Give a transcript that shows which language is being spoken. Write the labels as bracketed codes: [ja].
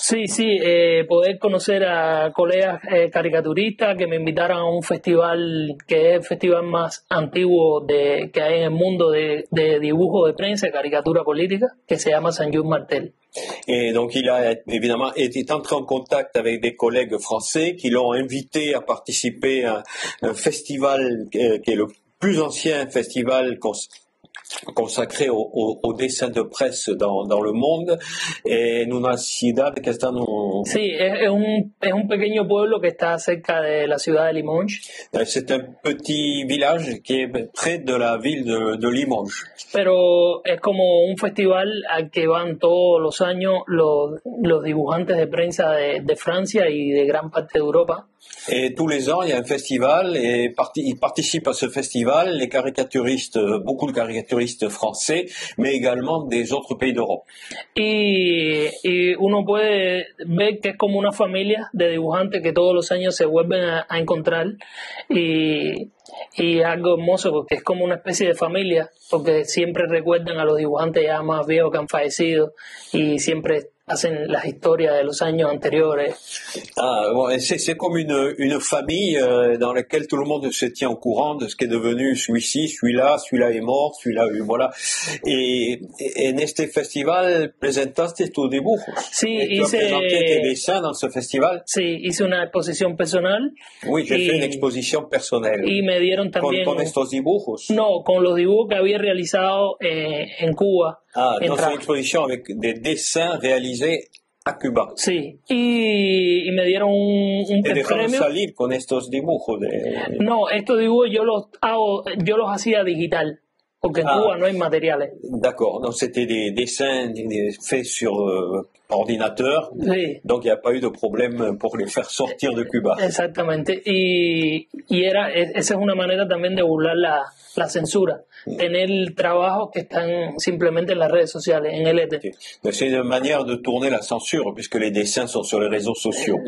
[es] Sí, sí, poder conocer a colegas caricaturistas que me invitaran a un festival que es el festival más antiguo que hay en el mundo de dibujo de prensa, caricatura política, que se llama Saint Jean Martel. [fr] Et donc il a évidemment été entré en contact avec des collègues français qui l'ont invité à participer à un festival qui est le plus ancien festival consacré au dessin de presse dans le monde, et [es] en una ciudad que está Sí, es un pequeño pueblo que está cerca de la ciudad de Limoges. [fr] C'est un petit village qui est près de la ville de Limoges. [es] Pero es como un festival al que van todos los años los dibujantes de prensa de Francia y de gran parte de Europa. [fr] Et tous les ans, il y a un festival et ils participent à ce festival les caricaturistes, beaucoup de caricaturistes français, mais également des autres pays d'Europe. [es] Y uno puede ver que es como una familia de dibujantes que todos los años se vuelven a encontrar y algo hermoso porque es como una especie de familia porque siempre recuerdan a los dibujantes ya más viejos que han fallecido y siempre hacen las historias de los años anteriores. Ah, bueno, [fr] c'est comme une famille dans laquelle tout le monde se tient au courant de ce qui est devenu celui-ci, celui-là est mort, celui-là, voilà. [es] Et en este festival presentaste tus dibujos. Sí, [fr] presenté tes dessins dans ce festival. [es] Sí, hice una exposición personal. [fr] Oui, j'ai fait une exposition personnelle. [es] Y me dieron también con estos dibujos. No, con los dibujos que había realizado en Cuba. [fr] Ah, dans une exposition avec des dessins réalisés à Cuba. [es] Sí, y me dieron un premio. ¿Te dejaron salir con estos dibujos? No, estos dibujos yo los hacía digital, porque en Cuba no hay materiales. [fr] D'accord, donc c'était des dessins faits sur ordinateur, [es] sí. [fr] Donc il n'y a pas eu de problème pour les faire sortir de Cuba. [es] Exactamente, esa es una manera también de burlar la censura, tener trabajos que están simplemente en las redes sociales, en el éter. Sí. [fr] C'est une manière de tourner la censure, puisque les dessins sont sur les réseaux sociaux.